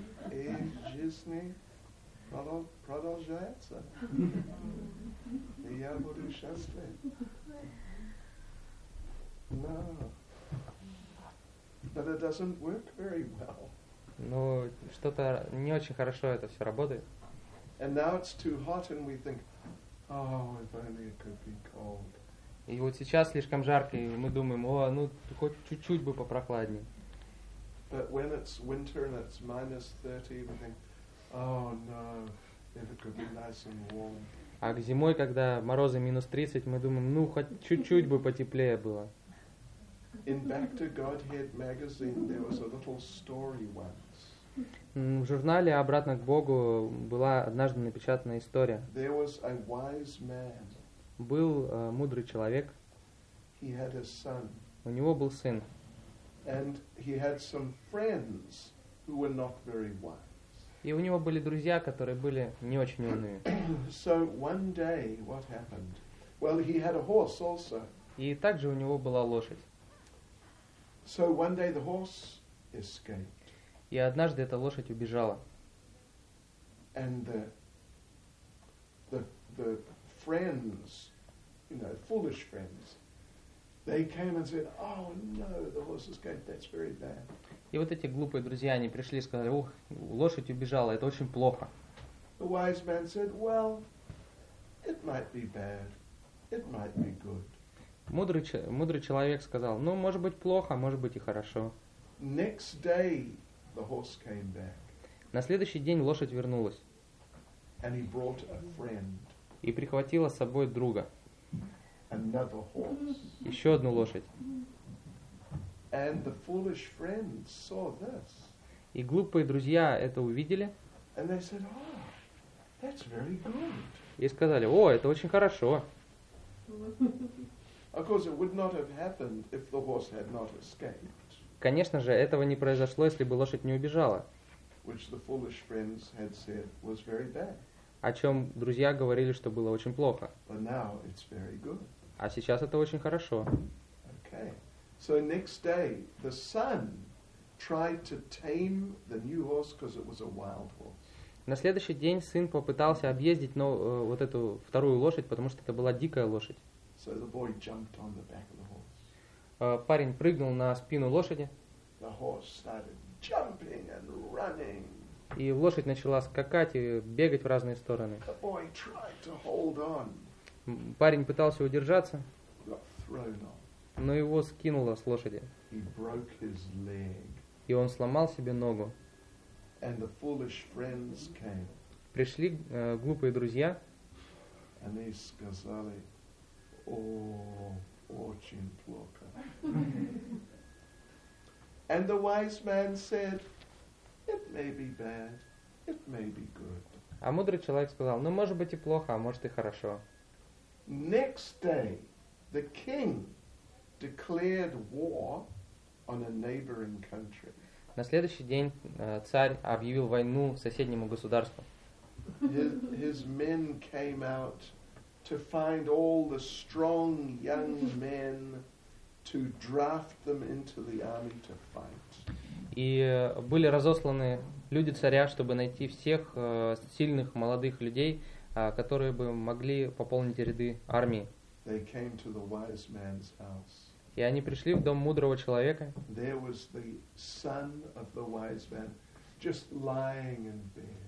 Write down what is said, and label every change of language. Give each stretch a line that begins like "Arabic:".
Russian: И жизнь продолжается. И я буду счастлив.
English: No. But it doesn't work very well.
Russian: Ну, что-то не очень хорошо это все работает.
English: And now it's too hot and we think, oh, if only it could be cold.
Russian: И вот сейчас слишком жарко, и мы думаем, о, ну, хоть чуть-чуть бы попрохладнее.
English: But when it's winter and it's minus 30, we think, oh, no, if it could be nice and warm.
Russian: А к зимой, когда морозы минус 30, мы думаем, ну, хоть чуть-чуть бы потеплее было.
English: In Back to Godhead magazine there was a little story once.
Russian: В журнале «Обратно к Богу» была однажды напечатана история.
English: There was a wise man.
Russian: Был мудрый человек.
English: He had a son.
Russian: У него был сын.
English: And he had some friends who were not very wise.
Russian: И у него были друзья, которые были не очень умные.
English: So one day what happened? Well, he had a horse also.
Russian: И также у него была лошадь.
English: So one day the horse escaped.
Russian: И однажды эта лошадь убежала.
English: And the friends, you know, foolish friends, they came and said, "Oh no, the horse escaped. That's very bad."
Russian: И вот эти глупые друзья, они пришли и сказали: "Ух, лошадь убежала. Это очень плохо."
English: The wise man said, "Well, it might be bad. It might be good."
Russian: Мудрый человек сказал: ну, может быть плохо, может быть и хорошо.
English: Next day the horse came back.
Russian: На следующий день лошадь вернулась.
English: And he brought a friend.
Russian: И прихватила с собой друга.
English: Another horse.
Russian: Еще одну лошадь.
English: And the foolish friend saw this.
Russian: И глупые друзья это увидели.
English: And they said, oh, that's very good.
Russian: И сказали: о, это очень хорошо.
English: Of course, it would not have happened if the horse had not escaped.
Russian: Конечно же, этого не произошло, если бы лошадь не убежала.
English: Which the foolish friends had said was very bad.
Russian: О чем друзья говорили, что было очень плохо.
English: But now it's very good.
Russian: А сейчас это очень хорошо.
English: Okay. So next day the son tried to tame the new horse because it was a wild horse.
Russian: На следующий день сын попытался объездить, но вот эту вторую лошадь, потому что это была дикая лошадь.
English: So the boy jumped on the back of the horse.
Russian: Парень прыгнул на спину лошади.
English: The horse started jumping and running.
Russian: И лошадь начала скакать и бегать в разные стороны.
English: The boy tried to hold on.
Russian: Парень пытался удержаться.
English: Got thrown off.
Russian: Но его скинуло с лошади.
English: He broke his leg.
Russian: И он сломал себе ногу.
English: And the foolish friends came.
Russian: Пришли глупые друзья.
English: And they
Russian: сказали, о, очень плохо.
English: And the wise man said, it may be bad, it may be good.
Russian: А мудрый человек сказал, ну, может быть и плохо, а может и хорошо.
English: Next day, the king declared war on a neighboring country.
Russian: На следующий день царь объявил войну соседнему государству.
English: His men came out to find all the strong young men to draft them into the army to fight.
Russian: И были разосланы люди царя, чтобы найти всех сильных молодых людей, которые бы могли пополнить ряды армии.
English: They came to the wise man's house.
Russian: И они пришли в дом мудрого человека.
English: There was the son of the wise man just lying in bed.